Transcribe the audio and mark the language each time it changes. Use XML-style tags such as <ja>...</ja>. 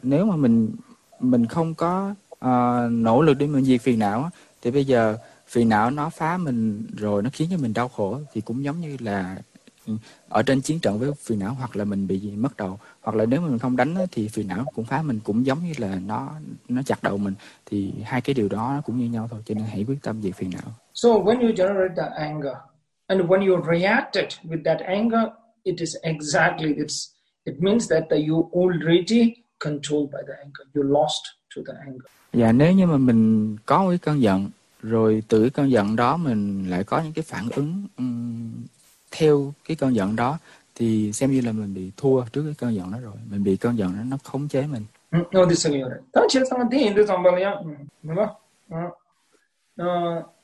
<vi>Nếu mà mình không có nỗ lực để mình diệt phiền não, thì bây giờ phiền não nó phá mình rồi, nó khiến cho mình đau khổ, thì cũng giống như là ở trên chiến trận với phiền não, hoặc là mình bị gì mất đầu, hoặc là nếu mà mình không đánh thì phiền não cũng phá mình, cũng giống như là nó chặt đầu mình, thì hai cái điều đó cũng như nhau thôi, cho nên hãy quyết tâm diệt phiền não.</vi> <en>So when you generate the anger and when you reacted with that anger, it is exactly this. It means that you already controlled by the anger. You lost to the anger.</en> <vi>Dạ, nếu như mà mình có cái cơn giận, rồi từ cái cơn giận đó mình lại có những cái phản ứng theo cái cơn giận đó, thì xem như là mình bị thua trước cái cơn giận đó rồi. Mình bị cơn giận đó nó khống chế mình.</vi> <en>No, this is your right. Don't you think that in this umbrella, yeah, no, no, no.</en>